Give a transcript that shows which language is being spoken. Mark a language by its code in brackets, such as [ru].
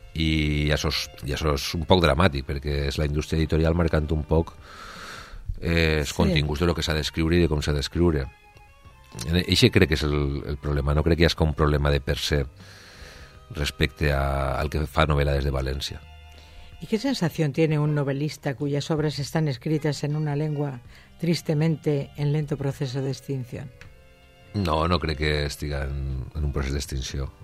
[ca] I això és un poc dramàtic, perquè és la indústria editorial marcant un poc els continguts de lo que s'ha d'escriure i de com s'ha d'escriure. Eixe crec que és el problema. No crec que hi hagi un problema de per se respecte al que fa novel·la des de València. [es] ¿Y qué sensación tiene un novelista cuyas obras están escritas en una lengua tristemente en lento proceso de extinción? [ca] No crec que estiga en un procés d'extinció.